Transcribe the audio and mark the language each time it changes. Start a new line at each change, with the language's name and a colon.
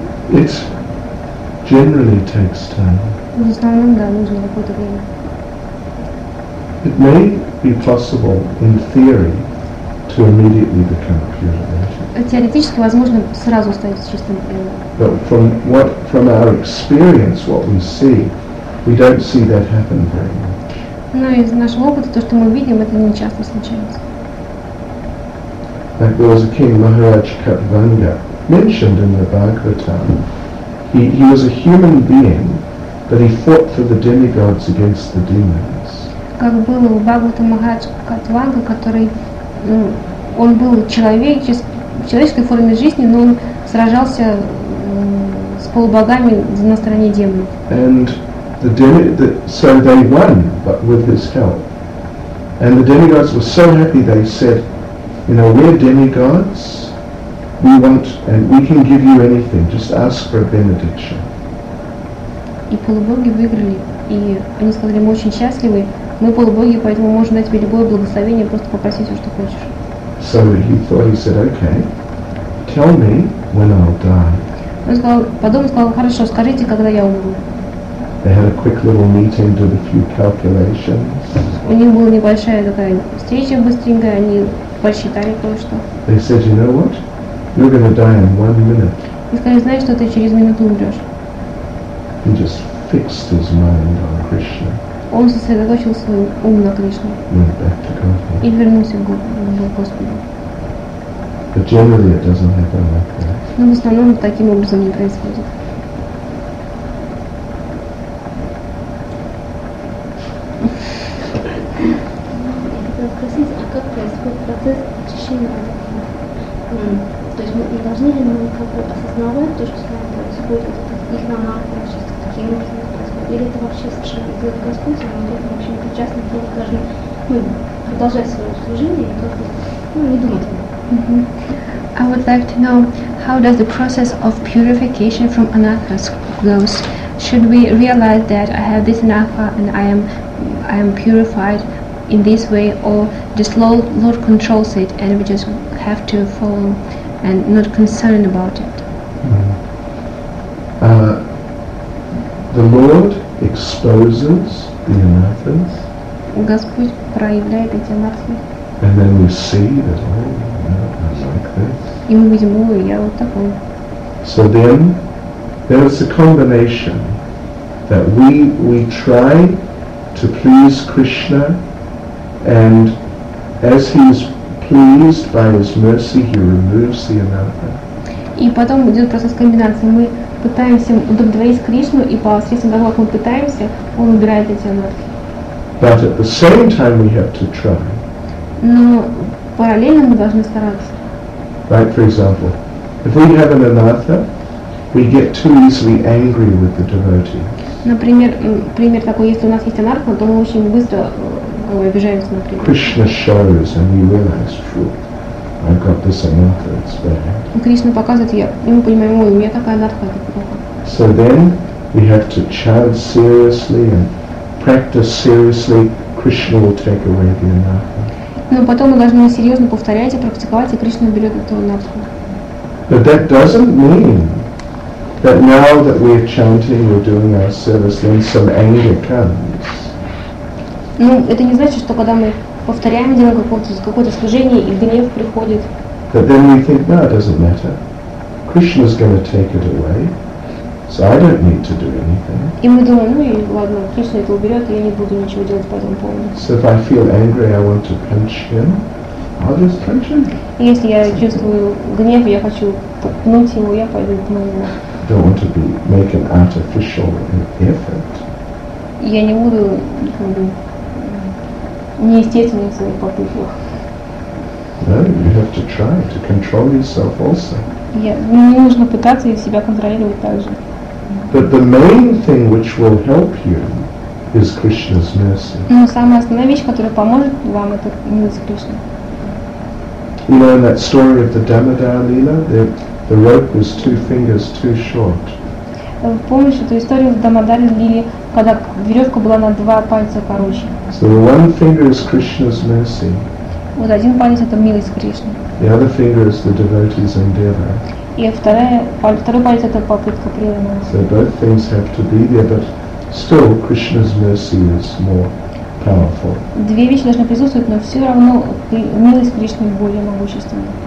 English: It generally takes time.
Russian: В основном, да, нужно какое-то время.
English: It may be possible in theory to immediately become a pure devotee.
Russian: Теоретически возможно сразу стать чистым преданным.
English: But from our experience, what we don't see that happen very much.
Russian: Но из нашего опыта то, что мы видим, это не часто случается.
English: Like there was a king, Maharaj Katvanga, mentioned in the Bhagavatam. He was a human being, but he fought for the demigods against the demons.
Russian: Как было у Бхагавата Махарадж Катванга, который он был в человеческой форме жизни, но он сражался полубогами на стороне демонов.
English: And so they won, but with his help. And the demigods were so happy, they said, you know, we're demigods, we want, and we can give you anything, just ask for a benediction.
Russian: И полубоги выиграли, и они сказали, мы очень счастливы, мы полубоги, поэтому можем дать тебе любое благословение, просто попроси все, что хочешь.
English: So he thought, he said, okay, tell me when I'll die.
Russian: Он сказал, подумал, сказал, хорошо, скажите, когда я умру.
English: They had a quick little meeting, did a few calculations.
Russian: У них была небольшая такая встреча быстренькая, они посчитали кое-что.
English: They said, you know what? You're going to die in 1 minute.
Russian: Он сказал, знаешь, что ты через минуту умрешь.
English: He just fixed his mind on Krishna.
Russian: Он сосредоточил свой ум на Кришне.
English: Went back to Godhead.
Russian: И вернулся к Господу.
English: But generally it doesn't happen like that.
Russian: Но в основном таким образом не происходит. Я хотела спросить, а как происходит процесс очищения? То есть мы не должны ли мы как бы осознавать то, что с нами происходит, вот этот их намах, то есть какие мысли происходят? или это вообще совершенно дело Господа, но это вообще не причастно, то мы должны продолжать свое служение и как-то не думать.
English: I would like to know, how does the process of purification from anathas goes? Should we realize that I have this anatha and I am purified in this way, or just Lord controls it and we just have to follow and not concern about it? The Lord exposes the anathas.
Russian: Господь проявляет эти анатхи.
English: And then we see that,
Russian: и мы видим, ой, я вот такой.
English: So then, there is a combination that we try to please Krishna, and as he is pleased by his mercy, he removes the anatta.
Russian: И потом идет процесс комбинации. Мы пытаемся удовлетворить Кришну, и по средствам того, как мы пытаемся, он убирает эти анатты.
English: But at the same time, we have to try.
Russian: Но параллельно мы должны стараться.
English: Right, for example, if we have an anatha, we get too easily angry with the devotee.
Russian: Например, пример такой: если у нас есть анатха, то мы очень быстро обижаемся, например.
English: Krishna shows, and we realize, phew, I've got this anatha, it's bad.
Russian: Кришна показывает, и мы понимаем, ой, у меня такая анатха, это плохо.
English: So then we have to chant seriously and practice seriously. Krishna will take away the anatha.
Russian: Но потом мы должны серьезно повторять и практиковать, и Кришна уберет эту анатху.
English: But that doesn't mean that now that we are chanting, we're doing our service, then some anger comes.
Russian: Ну, это не значит, что когда мы повторяем, делаем какое-то служение, и гнев приходит.
English: But then we think, no, it doesn't matter. Krishna is going to take it away, so I don't need to do anything.
Russian: И мы думаем, ну и ладно, Кришна это уберет, и я не буду ничего делать по этому поводу.
English: So if I feel angry, I want to punch him, I'll just punch him.
Russian: И если я чувствую гнев, я хочу пнуть его, я пойду пну его.
English: I don't want to be make an artificial effort.
Russian: Я не буду неестественным в своих попытках.
English: No, you have to try to control yourself also.
Russian: Мне нужно пытаться и себя контролировать также.
English: But the main thing which will help you is Krishna's mercy.
Russian: Но самая основная вещь, которая поможет вам, это милость Кришны.
English: You know, in that story of the Damodara Leela, the rope was two fingers too short.
Russian: Помнишь эту историю в Дамодаре Лиле, когда веревка была на два пальца короче?
English: So the one finger is Krishna's mercy.
Russian: Вот один палец это милость Кришны.
English: The other finger is the devotee's endeavor.
Russian: И второй палец это попытка преданного.
English: So both things have to be there, but still Krishna's mercy is more powerful.
Russian: Две вещи должны присутствовать, но все равно милость Кришны более могущественна.